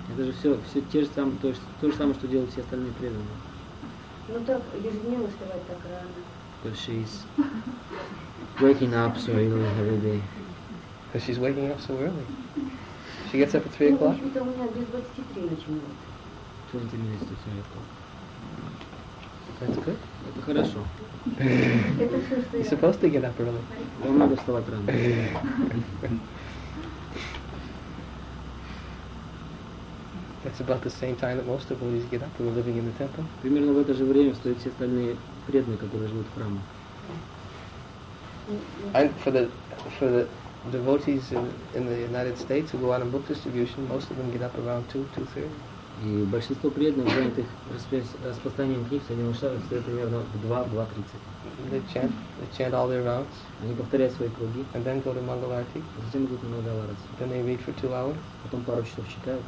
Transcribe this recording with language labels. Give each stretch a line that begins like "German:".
Russian: Это же все те же самые, то есть то же самое, что делают все остальные преданные. Ну так, ежедневно вставать так рано.
English: Because she's waking up so early every day. Because she's waking up so early. She gets up at 3 o'clock?
Russian: Ну, у меня без 23 начинает.
English: 20 minutes to 3 o'clock. That's good.
Russian: Это хорошо.
English: You're supposed to get up early.
Russian: Вам надо вставать рано.
English: That's about the same time that most of the devotees get up who are living in the temple.
Russian: Примерно в это же время встают все остальные преданные, которые живут в храме.
English: And for the devotees in the United States who go out on book distribution, most of them get up around 2-3.
Russian: И большинство преданных, занятых распространением книг, Соединенных Штатов, встают примерно в 2-2:30.
English: They chant all their rounds.
Russian: Они повторяют свои круги.
English: And then go to Mangalarti.
Russian: Затем идут на Мангаларти.
English: Then they read for 2 hours.
Russian: Потом пару часов читают.